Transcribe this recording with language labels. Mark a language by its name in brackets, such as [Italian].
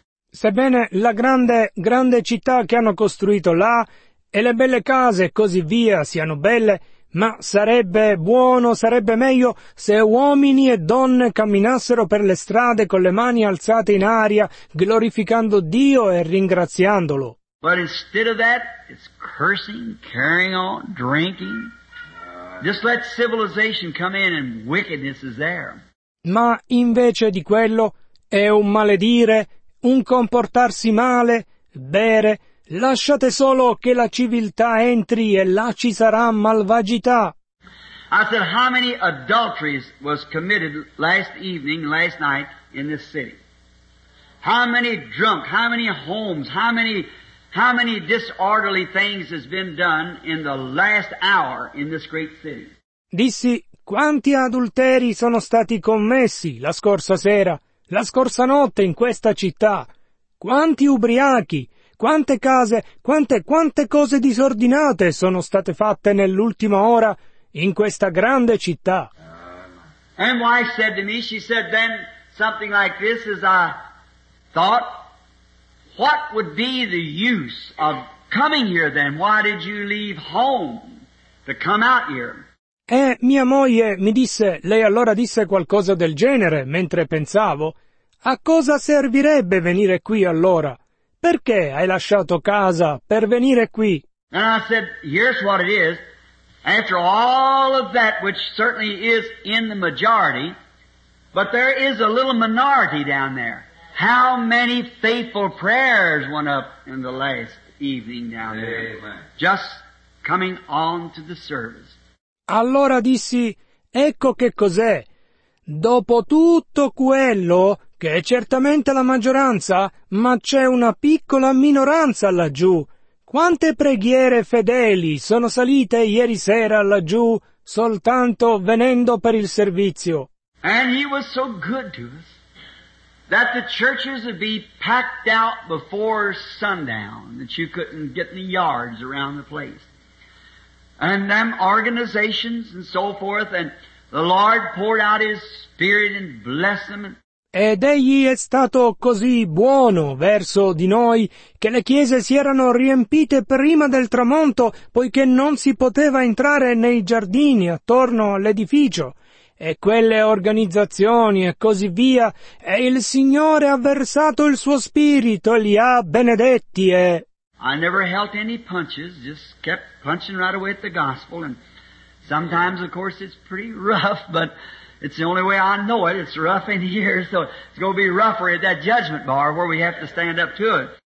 [Italian] Sebbene la grande città che hanno costruito là e le belle case e così via siano belle, ma sarebbe meglio se uomini e donne camminassero per le strade con le mani alzate in aria, glorificando Dio e ringraziandolo. [English] But instead of that, it's cursing, carrying on, drinking. Just let civilization come in and wickedness is there. [Italian] Ma invece di quello è un maledire, un comportarsi male, bere, lasciate solo che la civiltà entri e là ci sarà malvagità. [English] I said, how many adulteries was committed last evening, last night in this city? How many drunk, how many homes, how many disorderly things has been done in the last hour in this great city? [Italian] Dissi, quanti adulteri sono stati commessi la scorsa sera? La scorsa notte in questa città, quanti ubriachi, quante case, quante cose disordinate sono state fatte nell'ultima ora in questa grande città. [English] And wife said to me, she said then something like this as I thought, what would be the use of coming here then? Why did you leave home to come out here? [Italian] E mia moglie mi disse, lei allora disse qualcosa del genere mentre pensavo, a cosa servirebbe venire qui allora? Perché hai lasciato casa per venire qui? [English] And I said, here's what it is. After all of that, which certainly is in the majority, but there is a little minority down there. How many faithful prayers went up in the last evening down there? Amen. Just coming on to the service. [Italian] Allora dissi, ecco che cos'è. Dopo tutto quello, che è certamente la maggioranza, ma c'è una piccola minoranza laggiù. Quante preghiere fedeli sono salite ieri sera laggiù, soltanto venendo per il servizio. [English] And he was so good to us that the churches would be packed out before sundown, that you couldn't get any yards around the place. And them organizations and so forth, and the Lord poured out His Spirit and blessed them. [Italian] Ed egli è stato così buono verso di noi che le chiese si erano riempite prima del tramonto, poiché non si poteva entrare nei giardini attorno all'edificio. E quelle organizzazioni e così via, e il Signore ha versato il suo Spirito e li ha benedetti e... [English] I never held any punches, just kept punching right away at the gospel, and sometimes, of course, it's pretty rough, but it's the only way I know it. It's rough in here, so it's going to be rougher at that judgment bar where we have to stand up to it.